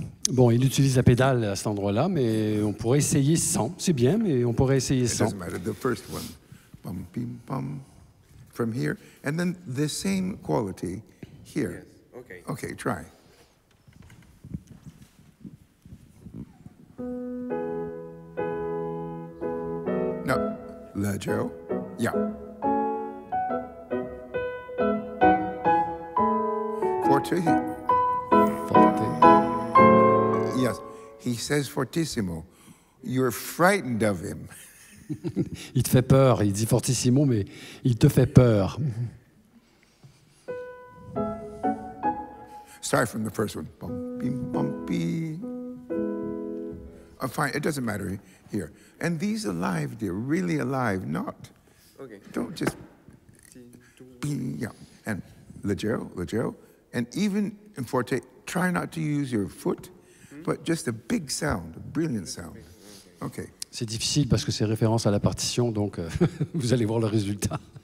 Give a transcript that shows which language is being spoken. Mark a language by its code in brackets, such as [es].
[fr] Bon, il utilise la pédale à cet endroit-là, mais on pourrait essayer sans. C'est bien, mais on pourrait essayer sans. [en] It doesn't matter, the first one. Bum, bim, bum. From here, and then the same quality here. Yes, okay. Okay, try. No, leggero. Yeah. Forte. Yes, he says fortissimo. You're frightened of him. [fr] Il te fait peur. Il dit fortissimo, mais il te fait peur. [en] Start from the first one. Bumpy, bumpy. Oh, fine, it doesn't matter here. And these alive, dear, really alive, not. Okay. Don't just. Yeah. And leggero. And even in forte, try not to use your foot, but just a big sound, a brilliant sound. Okay. [fr] C'est difficile parce que c'est référence à la partition, donc vous allez voir le résultat.